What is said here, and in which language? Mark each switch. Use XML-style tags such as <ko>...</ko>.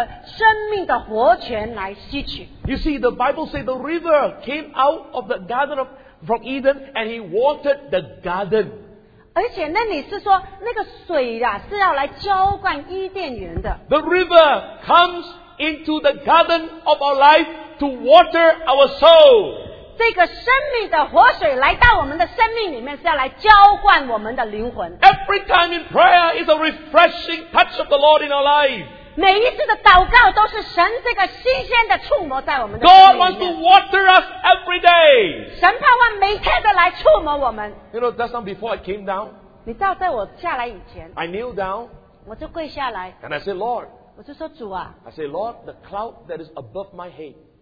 <zh>所以祷告其实就是要从这个生命的活泉来吸取。</zh> <en>You see, the Bible says the river came out of the garden of, from Eden and he watered the garden.</en> <zh>而且那里是说,那个水啊,是要来浇灌伊甸园的。</zh> <en>The river comes into the garden of our life to water our soul.</en> <zh>这个生命的活水来到我们的生命里面,是要来浇灌我们的灵魂。</zh> <en>Every time in prayer is a refreshing touch of the Lord in our life.</en> <zh>每一次的祷告都是神这个新鲜的触摸在我们的</zh> <en>God wants to water us every day.</en> <zh>神盼望每天都来触摸我们。</zh> <en>You know, just now before I came down,</en> <zh>你知道在我下来以前,</zh> <en>I kneel down,</en> <zh>我就跪下来,</zh> <en>and I say, Lord,</en> <zh>我就说主啊,</zh> <en>I say, Lord, the cloud that is above my head,</en>